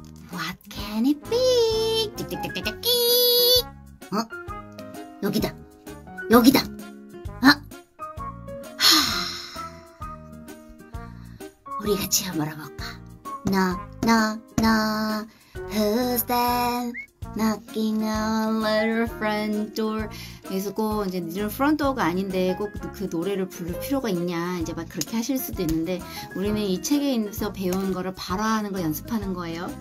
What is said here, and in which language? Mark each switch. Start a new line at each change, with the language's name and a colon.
English: What can it be? 띠띠띠띠띠.
Korean: 어? 여기다. 여기다. 아. 우리 같이 한번 알아볼까?
English: Knock, knock, knock. Who's that? Knocking on little front door.
Korean: 그래서 꼭 이제
English: little front door
Korean: 가 아닌데 꼭 그 노래를 부를 필요가 있냐 이제 막 그렇게 하실 수도 있는데 우리는 이 책에 있어서 배운 거를 발화하는 거 연습하는 거예요.